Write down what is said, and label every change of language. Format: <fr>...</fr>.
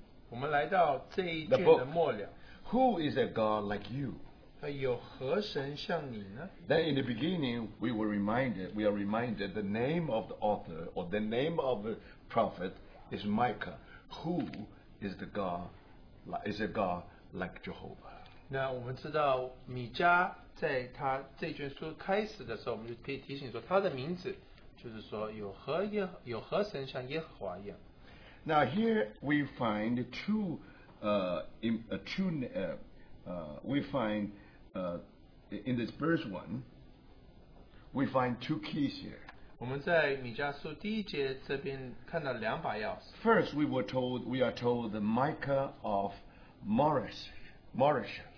<zh>我们来到这一卷的末了。</zh> <en>Who is a God like you?</en> <zh>有何神像你呢？</zh> <en>Then in the beginning, we are reminded the name of the author or the name of the prophet is Micah, who is the God, is a God like Jehovah.</en> <zh>那我们知道米迦在他这卷书开始的时候，我们就提醒说他的名字就是说有何神像耶和华一样。</zh> <en>Now here we find in this verse 1, we find two keys here.</en> <zh>我们在米迦书第一节这边看到两把钥匙。</zh> <en>First, we are told the Micah of Moresh.</en>